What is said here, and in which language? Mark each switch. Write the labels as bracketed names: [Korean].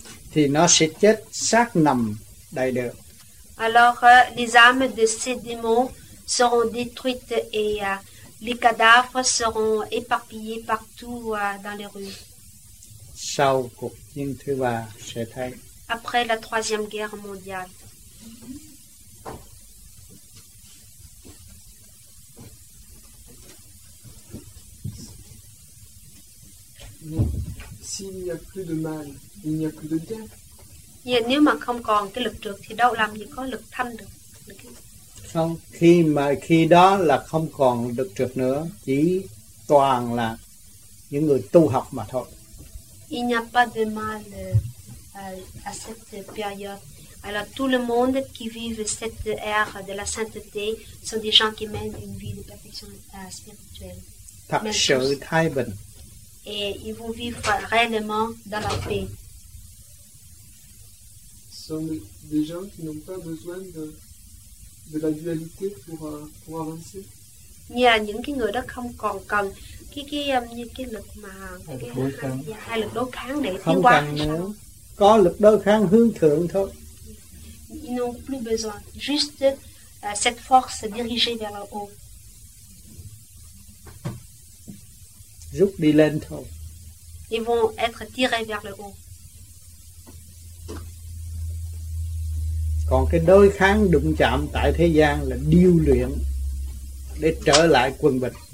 [Vietnamese] Thì nó sẽ chết xác nằm đầy đường. [French] Alors les âmes de ces démons seront détruites et les cadavres seront éparpillés partout dans les rues. [Vietnamese] Sau cuộc chiến thứ ba sẽ thấy. [French] Après la troisième guerre mondiale. S'il n'y a plus de mal, il n'y a plus de bien. [Vietnamese] Yeah, nếu mà không còn cái lực trượt thì đâu làm gì có lực thanh được. Không, khi đó là không còn lực trượt nữa, chỉ toàn là những người tu học mà thôi. [French] Il n'y a pas de mal à cette période. Alors tout le monde qui vive cette ère de la sainteté sont des gens qui mènent une vie de perfection spirituelle. [Vietnamese] Thật sự thái bình. [French] Et ils vont vivre réellement dans la paix. Sont des gens qui n'ont pas besoin de la dualité pour avancer. [Vietnamese] Nhờ những cái người đó không còn cần cái lực mà hai lực đối kháng để không qua. Cần nữa. Có lực đối kháng hướng thượng thôi. [French] Ils n'ont plus besoin, juste cette force dirigée vers le haut. [Vietnamese] Rút đi lên thôi. [French] Ils vont être tirés vers le haut. [Vietnamese] Còn cái đối kháng đụng chạm tại thế gian là điêu luyện để trở lại quân bình.